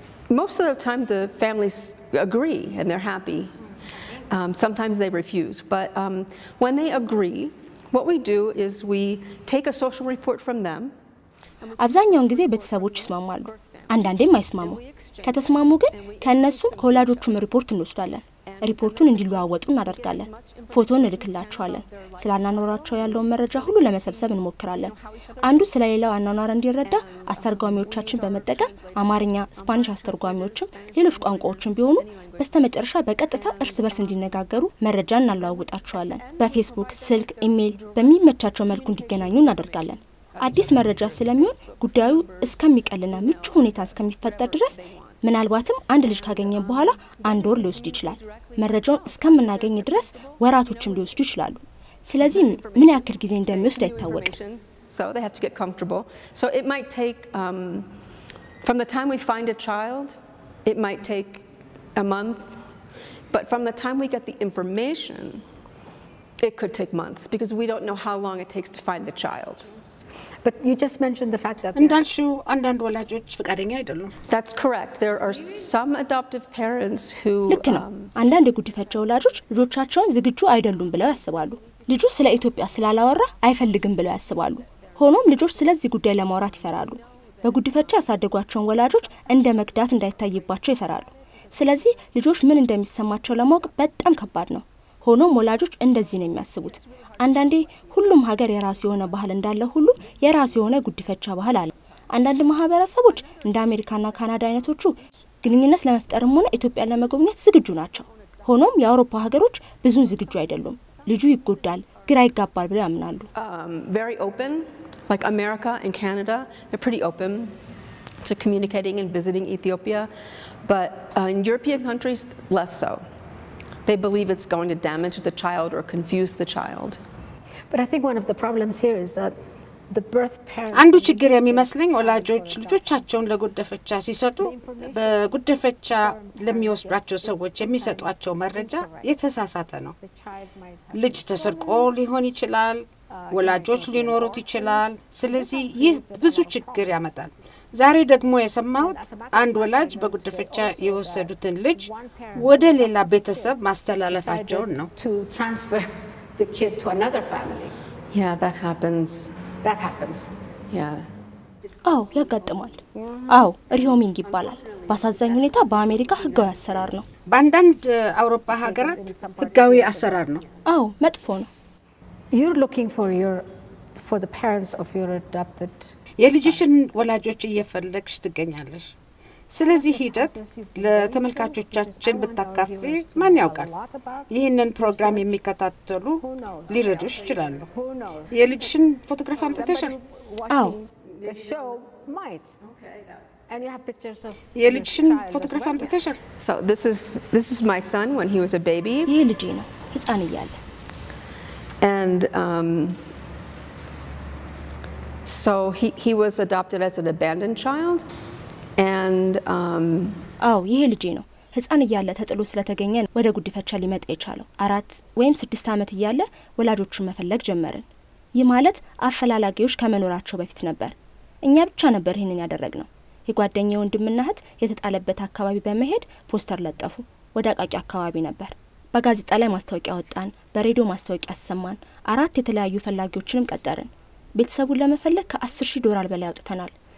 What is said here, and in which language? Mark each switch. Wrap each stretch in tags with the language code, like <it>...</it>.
<en>Most of the time the families agree and they're happy. Sometimes they refuse, but when they agree, what we do is we take a social report from them.</en> <am>አብዛኛውን ጊዜ ቤተሰቦች ይስማማሉ። አንዳንዴም አይስማሙ። ከተስማሙ ግን ከነሱም ከወላጆቹም ሪፖርት እንወስዳለን። ሪፖርቱን እንዲለዋወጡ እናደርጋለን። ፎቶን እልክላቸዋለን። ስላናኖራቸው ያለውን መረጃ ሁሉ ለመሰብሰብ እንሞክራለን። አንዱ ስለሌላው አናኗር እንዲረዳ አስተርጓሚዎቻችን በመጠቀም አማርኛ፣ ስፓኒሽ አስተርጓሚዎችም ሌሎች ቋንቋዎችም ቢሆኑ በስተመጨረሻ በቀጥታ እርስ በርስ እንዲነጋገሩ መረጃ እናለዋውጣቸዋለን። በፌስቡክ፣ ስልክ፣ ኢሜይል በሚመቻቸው መልኩ እንዲገናኙ እናደርጋለን። አዲስ መረጃ ስለሚሆን ጉዳዩ እስከሚቀልና ምቹ ሁኔታ እስከሚፈጠር ድረስ ምናልባትም አንድ ልጅ ካገኘ በኋላ አንድ ወር ሊወስድ ይችላል። መረጃውን እስከምናገኝ ድረስ ወራቶችም ሊወስዱ ይችላሉ። ስለዚህ ምን ያክል ጊዜ እንደሚወስድ አይታወቅም።</am> <en>So they have to get comfortable. So it might take from the time we find a child, it might take a month. But from the time we get the information, it could take months because we don't know how long it takes to find the child. But you just mentioned the fact that That's correct. There are some adoptive parents who</en> <am>አንዳንድ የጉድፈቻ ወላጆች ልጆቻቸውን ዝግጁ አይደሉም ብለው ያስባሉ። ልጁ ስለ ኢትዮጵያ ስላላወራ አይፈልግም ብለው ያስባሉ። ሆኖም ልጆች ስለዚህ ጉዳይ ለማውራት ይፈራሉ። በጉድፈቻ ያሳደጓቸው ወላጆች እንደ መግዳት እንዳይታይባቸው ይፈራሉ። ስለዚህ ልጆች ምን እንደሚሰማቸው ለማወቅ በጣም ከባድ ነው። ሆኖም ወላጆች እንደዚህ ነው የሚያስቡት። አንዳንዴ ሁሉም ሀገር የራሱ የሆነ ባህል እንዳለ ሁሉ የራሱ የሆነ ጉድፈቻ ባህል አለ። አንዳንድ ማህበረሰቦች እንደ አሜሪካና ካናዳ አይነቶቹ ግንኙነት ለመፍጠርም ሆነ ኢትዮጵያ ለመጎብኘት ዝግጁ ናቸው። ሆኖም የአውሮፓ ሀገሮች ብዙ ዝግጁ አይደሉም። ልጁ ይጎዳል ግራ ይጋባል ብለው ያምናሉ።</am> <en>Very open like America and Canada, they're pretty open to communicating and visiting Ethiopia, but in European countries less so. They believe it's going to damage the child or confuse the child. But I think one of the problems here is that the birth parent</en> <am>አንዱ ችግር የሚመስለኝ ወላጆች ልጆቻቸውን ለጉድፈቻ ሲሰጡ በጉድፈቻ ለሚወስዷቸው ሰዎች የሚሰጧቸው መረጃ የተሳሳተ ነው። ልጅ ተሰርቆ ሊሆን ይችላል፣ ወላጆች ሊኖሩት ይችላል። ስለዚህ ይህ ብዙ ችግር ያመጣል። ዛሬ ደግሞ የሰማሁት አንድ ወላጅ በጉድፈቻ የወሰዱትን ልጅ ወደ ሌላ ቤተሰብ ማስተላለፋቸው ነው።</am> <en>The kid to another family. Yeah, that happens. That happens. Yeah.</en> <am>አው ያጋጥማል። አው ሪሆሚንግ ይባላል። ባሳዘኝ ሁኔታ በአሜሪካ ህጋዊ አሰራር ነው። በአንዳንድ አውሮፓ ሀገራት ህጋዊ አሰራር ነው። አው መጥፎ ነው።</am> <en>You're looking for your for the parents of your adopted.</en> <am>የልጅሽን ወላጆች እየፈለግሽ ትገኛለሽ? ስለዚህ ሂደት ለተመልካቾቻችን በተካፈ ማን ያውቃል? ይሄንን ፕሮግራም የሚከታተሉ ሊረዱሽ ይችላሉ። የልጅሽን ፎቶግራፍ አምጥተሻል? አዎ።</am> <en>The show might. And you have pictures of</en> <am>የልጅሽን ፎቶግራፍ አምጥተሻል?</am> <en>So this is my son when he was a baby.</en> <am>የልጅ ነው ህፃን እያለ።</am> <en>And so he was adopted as an abandoned child. And</en> <am>አው ይሄ ልጅ ነው ህፃን እያለ ተጥሎ ስለተገኘ ወደ ጉድፈቻ ሊመጣ ይቻለው። አራት ወይም 6 አመት እያለ ወላጆቹን መፈለግ ጀመረን። ይህ ማለት አፈላላጊዎች ከመኖራቸው በፊት ነበር። እኛ ብቻ ነበር ይሄንን ያደረግነው። የጓደኛው እንድምናህት የተጣለበት አካባቢ በመሄድ ፖስተር ለጠፉ። ወደ አቃቂ አካባቢ ነበር። በጋዜጣ ላይ ማስተዋቂያ ወጣን፣ በሬዲዮ ማስተዋቂያ አሰማን። አራት የተለያዩ ፈላጊዎችንም ቀጠረን። ቤተሰቡን ለመፈለግ $10,000 በላይ አውጥተናል።</am>